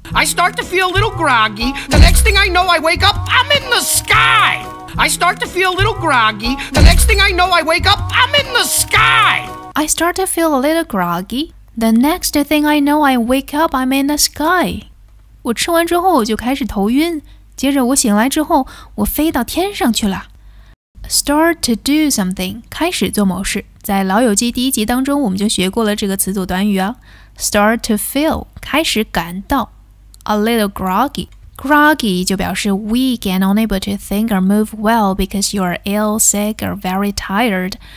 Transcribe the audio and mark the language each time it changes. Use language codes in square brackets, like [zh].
[en] I start to feel a little groggy The next thing I know I wake up, I'm in the sky I start to feel a little groggy The next thing I know I wake up, I'm in the sky I start to feel a little groggyThe next thing I know, I wake up, I'm in the sky. [zh] 我吃完之后就开始头晕，接着我醒来之后，我飞到天上去了。 [en] Start to do something, [zh] 开始做某事。在《老友记》第一集当中，我们就学过了这个词组短语啊。 [en] Start to feel, [zh] 开始感到。 [en] A little groggy. Groggy [zh] 就表示 [en] weak and unable to think or move well because you are ill, sick, or very tired.